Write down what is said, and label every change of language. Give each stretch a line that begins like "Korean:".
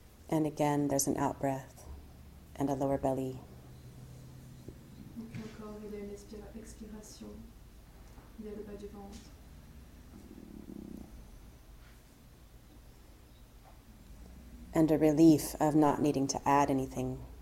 English: And again, there's an out-breath and a lower belly.
French: Et puis encore, il y a une expiration, il y a le bas du ventre.
English: And a relief of not needing to add anything.